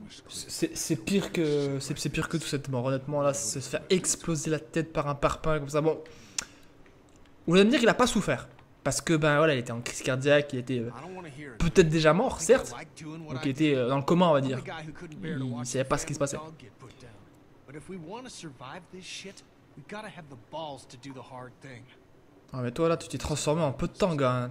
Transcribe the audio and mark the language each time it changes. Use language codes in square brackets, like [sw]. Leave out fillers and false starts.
[fr] c'est pire que tout, cette mort, honnêtement, là, se faire exploser la tête par un parpaing comme ça, bon... Vous allez me dire qu'il a pas souffert, parce que, ben voilà, il était en crise cardiaque, il était peut-être déjà mort, certes, donc il était dans le coma, on va dire. Il savait pas ce qui se passait. [en] But if we want to survive this shit, we gotta have the balls to do the hard thing. [fr] Ah mais toi là, tu t'es transformé en peu de temps, gars.